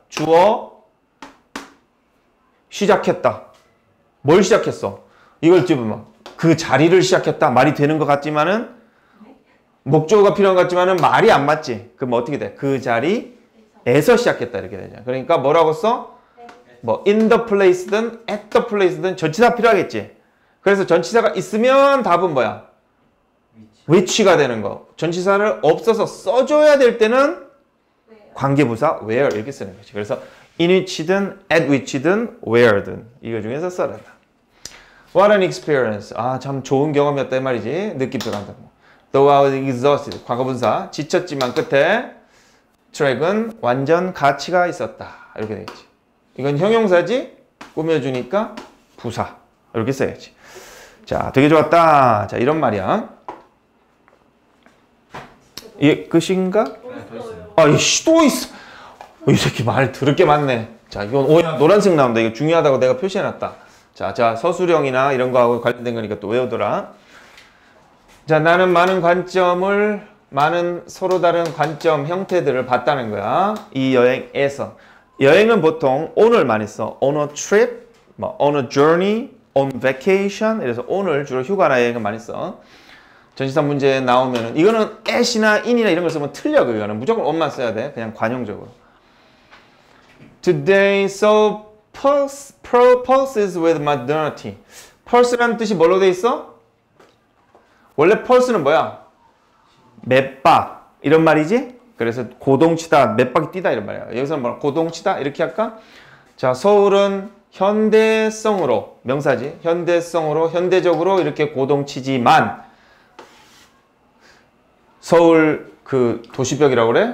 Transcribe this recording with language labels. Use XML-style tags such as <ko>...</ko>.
<ko>주어 시작했다. 뭘 시작했어? 이걸 집으면 그 자리를 시작했다 말이 되는 것 같지만은 목적어가 필요한 것 같지만은 말이 안 맞지. 그럼 어떻게 돼? 그 자리에서 시작했다 이렇게 되잖아. 그러니까 뭐라고 써? 뭐</ko> <en>in the place</en> <ko>든</ko> <en>at the place</en> <ko>든 전치사 필요하겠지. 그래서 전치사가 있으면 답은 뭐야? 위치가 되는 거. 전치사를 없어서 써줘야 될 때는 관계부사 where 이렇게 쓰는 거지. 그래서</ko> <en>in which</en> <ko>든</ko> <en>at which</en> <ko>든 where든 이거 중에서 써라.</ko> <en>What an experience.</en> <ko>아, 참 좋은 경험이었다 이 말이지. 느낌표 간다.</ko> <en>Though I was exhausted.</en> <ko>과거분사. 지쳤지만 끝에 트랙은 완전 가치가 있었다. 이렇게 되겠지. 이건 형용사지? 꾸며주니까 부사. 이렇게 써야지. 자, 되게 좋았다. 자, 이런 말이야. 예, 끝인가? 네, 아이씨, 또 있어. 이 새끼 말 더럽게 많네. 자, 이건 오야 노란색 나온다. 이거 중요하다고 내가 표시해놨다. 자, 서술형이나 이런 거하고 관련된 거니까 또 외우더라. 자, 나는 많은 관점을, 많은 서로 다른 관점 형태들을 봤다는 거야. 이 여행에서. 여행은 보통 on을 많이 써.</ko> <en>on a trip, on a journey, on vacation.</en> <ko>이래서 on을 주로 휴가나 여행을 많이 써. 전시사 문제에 나오면은, 이거는 at이나 in이나 이런 걸 쓰면 틀려, 그거는. 무조건 on만 써야 돼. 그냥 관용적으로.</ko> <en>Today, so, pulses with modernity.</en> <ko>pulse라는 뜻이 뭘로 돼 있어? 원래 pulse는 뭐야? 맥박 이런 말이지? 그래서 고동치다, 맥박이 뛰다 이런 말이야. 여기서는 뭐 고동치다 이렇게 할까? 자, 서울은 현대성으로 명사지. 현대성으로 현대적으로 이렇게 고동치지만 서울 그 도시벽이라고 그래?</ko>